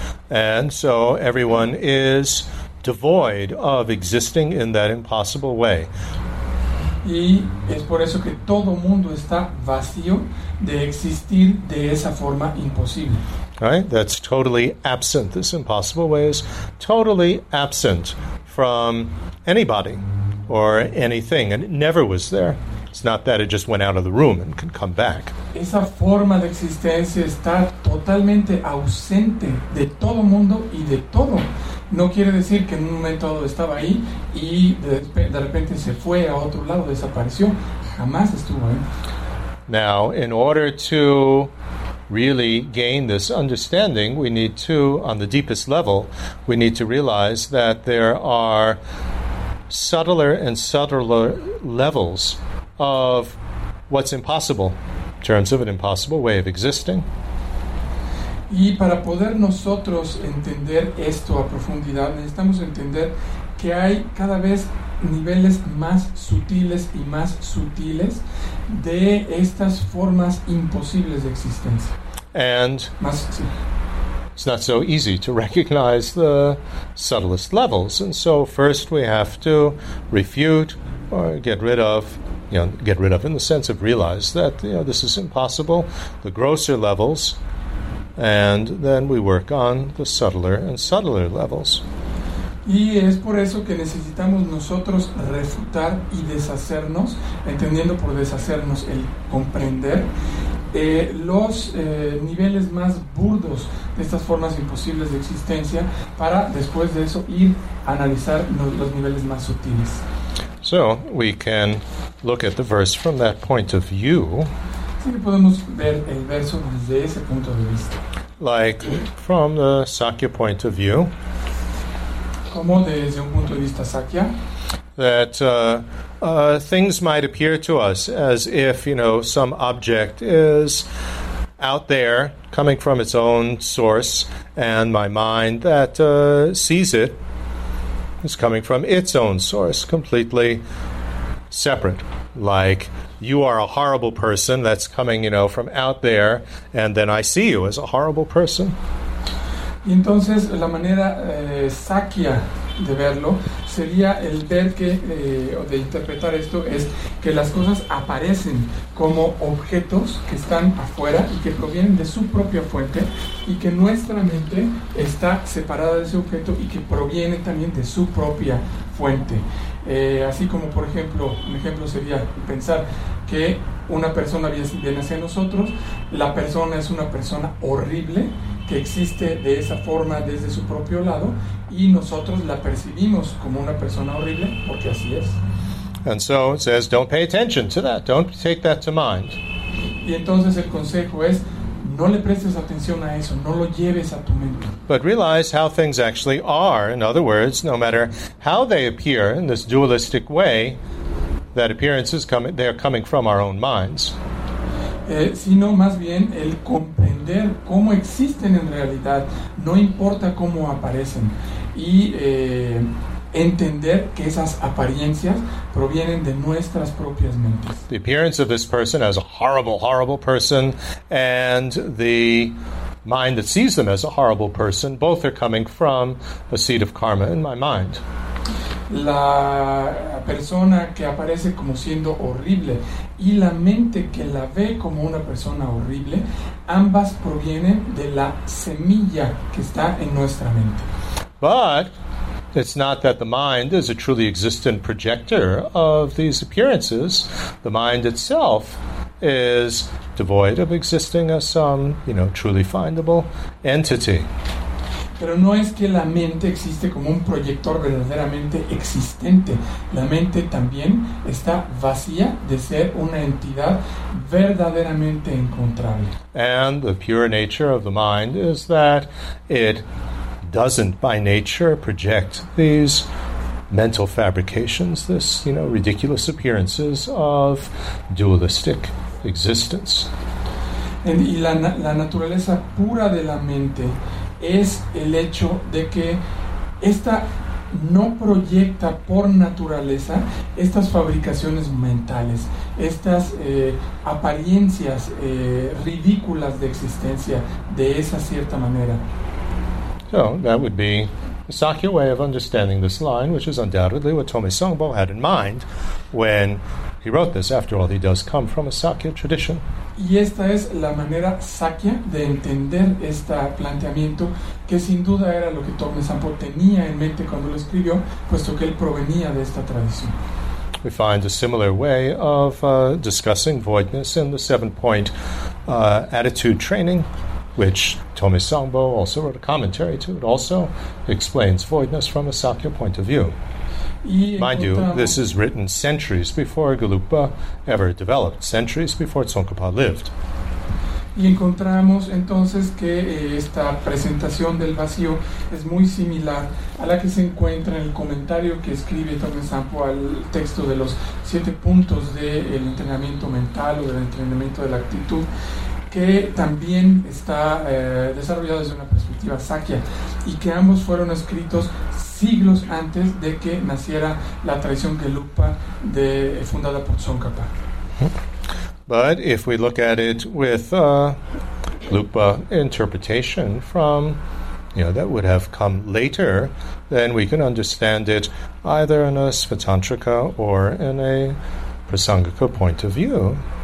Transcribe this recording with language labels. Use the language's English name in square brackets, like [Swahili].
[English] And so everyone is devoid of existing in that impossible way. [Spanish] Y es por eso que todo mundo está vacío de existir de esa forma imposible. [English] Right? That's totally absent. This impossible way is totally absent from anybody or anything. And it never was there. It's not that it just went out of the room and can come back. [Spanish] Esa forma de existencia está totalmente ausente de todo mundo y de todo. No quiere decir que en un momento todo estaba ahí y de repente se fue a otro lado, desapareció. Jamás estuvo ahí. [English] Now, in order to really gain this understanding, we need to, on the deepest level, we need to realize that there are subtler and subtler levels of what's impossible, in terms of an impossible way of existing. [Spanish] Y para poder nosotros entender esto a profundidad, necesitamos entender que hay cada vez niveles más sutiles y más sutiles de estas formas imposibles de existencia. [English] And [Spanish] más, sí. [English] It's not so easy to recognize the subtlest levels. And so first we have to refute or get rid of, you know, get rid of in the sense of realize that, you know, this is impossible, the grosser levels, and then we work on the subtler and subtler levels. [Spanish] Y es por eso que necesitamos nosotros refutar y deshacernos, entendiendo por deshacernos el comprender, los niveles más burdos de estas formas imposibles de existencia, para después de eso ir a analizar los niveles más sutiles. [English] So, we can look at the verse from that point of view. [Spanish] Así que podemos ver el verso desde ese punto de vista. [English] Like, from the Sakya point of view. [Spanish] Como desde un punto de vista Sakya. [English] That things might appear to us as if, you know, some object is out there, coming from its own source, and my mind that sees it is coming from its own source, completely separate. Like, you are a horrible person that's coming, you know, from out there, and then I see you as a horrible person. [Spanish] Entonces, la manera Sakya de verlo sería el ver que, o de interpretar esto, es que las cosas aparecen como objetos que están afuera y que provienen de su propia fuente, y que nuestra mente está separada de ese objeto y que proviene también de su propia fuente. Así como, por ejemplo, un ejemplo sería pensar que una persona viene hacia nosotros, la persona es una persona horrible, que existe de esa forma desde su propio lado, y nosotros la percibimos como una persona horrible, porque así es. [English] And so it says, don't pay attention to that, don't take that to mind. [Spanish] Y entonces el consejo es, no le prestes atención a eso, no lo lleves a tu mente. [English] But realize how things actually are, in other words, no matter how they appear in this dualistic way, that appearance is coming, they are coming from our own minds. [Spanish] Sino más bien el comprender cómo existen en realidad, no importa cómo aparecen, y entender que esas apariencias provienen de nuestras propias mentes. [English] The appearance of this person as a horrible, horrible person, and the mind that sees them as a horrible person, both are coming from a seed of karma in my mind. [Spanish] La persona que aparece como siendo horrible y la mente que la ve como una persona horrible, ambas provienen de la semilla que está en nuestra mente. [English] But it's not that the mind is a truly existent projector of these appearances. The mind itself is devoid of existing as some, you know, truly findable entity. [Spanish] Pero no es que la mente existe como un proyector verdaderamente existente. La mente también está vacía de ser una entidad verdaderamente encontrable. [English] And the pure nature of the mind is that it doesn't by nature project these mental fabrications, this, you know, ridiculous appearances of dualistic existence. [Spanish] Y la naturaleza pura de la mente es el hecho de que esta no proyecta por naturaleza estas fabricaciones mentales, estas apariencias ridículas de existencia de esa cierta manera. [English] So that would be a Sakya way of understanding this line, which is undoubtedly what Tome Songbo had in mind when he wrote this. After all, he does come from a Sakya tradition. [Spanish] Y esta es la manera Sakya de entender este planteamiento, que sin duda era lo que Tome Songbo tenía en mente cuando lo escribió, puesto que él provenía de esta tradición. [English] We find a similar way of discussing voidness in the 7-point attitude training, which Tome Songbo also wrote a commentary to. It also explains voidness from a Sakya point of view. Mind you, this is written centuries before Gelugpa ever developed, centuries before Tsongkhapa lived. [Spanish] Y encontramos entonces que esta presentación del vacío es muy similar a la que se encuentra en el comentario que escribe Tomé Sampo al texto de los siete puntos del entrenamiento mental o del entrenamiento de la actitud, que también está desarrollado desde una perspectiva sakya, y que ambos fueron escritos siglos antes de que naciera la tradición Gelugpa fundada por Tsongkhapa. [English] But if we look at it with Lupa interpretation from, you know, that would have come later, then we can understand it either in a Svatantrika or in a Prasangika point of view.